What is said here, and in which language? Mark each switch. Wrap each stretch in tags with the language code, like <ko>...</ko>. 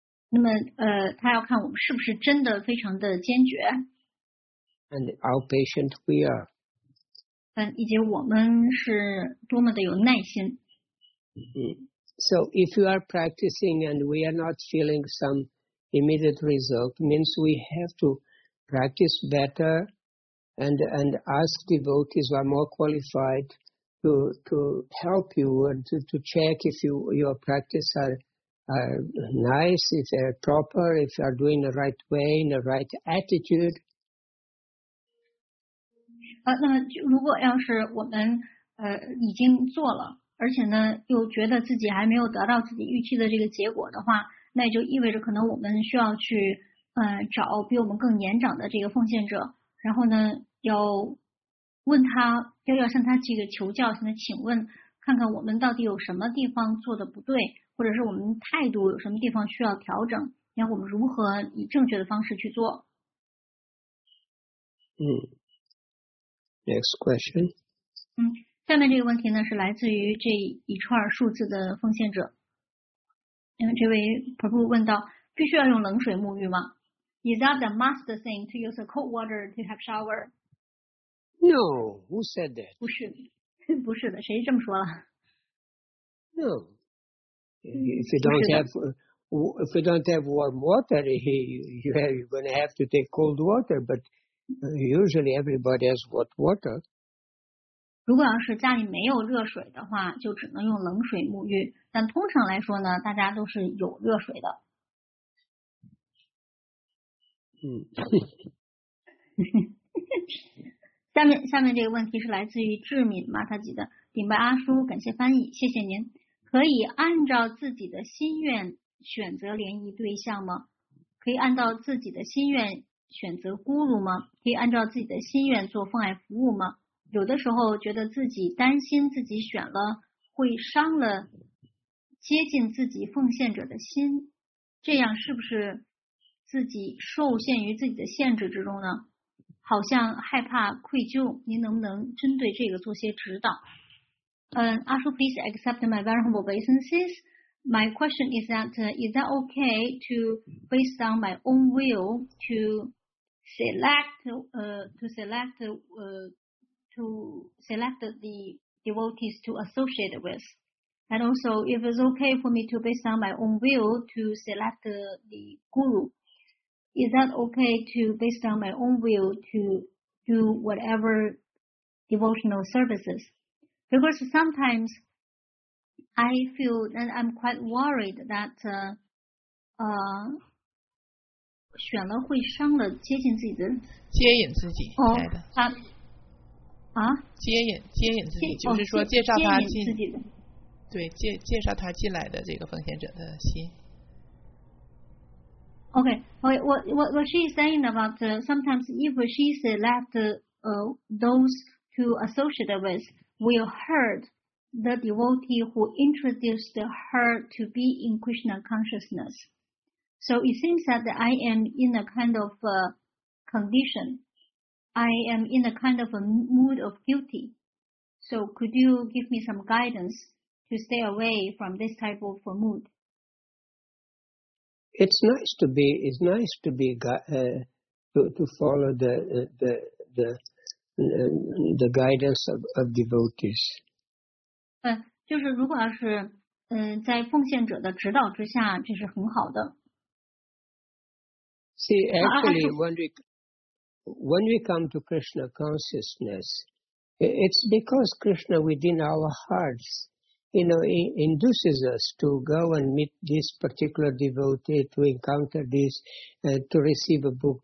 <zh>那么他要看我们是不是真的非常的坚决。</zh> <en>And how patient we are。</en> <zh>以及我们是多么的有耐心。</zh> <en>So if you are practicing and we are not feeling some immediate result, means we have to practice better and ask devotees who are more qualified to help you and to check if your practice are nice, if they are proper, if you are doing the right way, in the right attitude.</en> <zh>那如果要是我们已经做了，而且呢又觉得自己还没有得到自己预期的这个结果的话，那就意味着可能我们需要去找比我们更年长的这个奉献者，然后呢要问他，要向他这个求教，向他请问，看看我们到底有什么地方做的不对，或者是我们态度有什么地方需要调整，然后我们如何以正确的方式去做。</zh> <en>Next question.</en> <zh>下面这个问题呢是来自于这一串数字的奉献者。这位婆婆问道，必须要用冷水沐浴吗？</zh> <en>Is that the must thing to use a cold water to have shower? No, who said that?</en> <zh>不是，不是的，谁这么说了？</zh> <en>No. If you don't have warm water, you're going to have to take cold water, butUsually everybody has hot water.</en> <zh>如果要是家里没有热水的话，就只能用冷水沐浴。但通常来说呢，大家都是有热水的。下面这个问题是来自于智敏玛塔吉的，顶白阿叔，感谢翻译，谢谢您。可以按照自己的心愿选择联谊对象吗？可以按照自己的心愿选择孤独吗？可以按照自己的心愿做奉爱服务吗？有的时候觉得自己担心自己选了会伤了接近自己奉献者的心，这样是不是自己受限于自己的限制之中呢？好像害怕愧疚，您能不能针对这个做些指导？</zh> <en>Also please accept my vulnerable basis. My question is that, is that okay to, based on my own will, to select the devotees to associate with? And also, if it's okay for me to, based on my own will, to select the guru, is that okay to, based on my own will, to do whatever devotional services? Because sometimes I feel that I'm quite worried that</en> <zh>选了会伤了接近自己的接引自己哦、 oh, 的啊啊接引自己就是说介绍他进、哦、自己的对介绍他进来的这个奉献者的心。</zh> <en>Okay, what she is saying about sometimes if she select those to associate with. Will hurt the devotee who introduced her to be in Krishna consciousness. So it seems that I am in a kind of condition. I am in a kind of a mood of guilty. So could you give me some guidance to stay away from this type of mood? It's nice to be to follow the guidance of devotees.</en> <zh>就是如果要是在奉献者的指导之下，这是很好的。</zh> <en>See, actually, when we come to Krishna consciousness, it's because Krishna within our hearts, you know, induces us to go and meet this particular devotee, to encounter this, to receive a book.</en>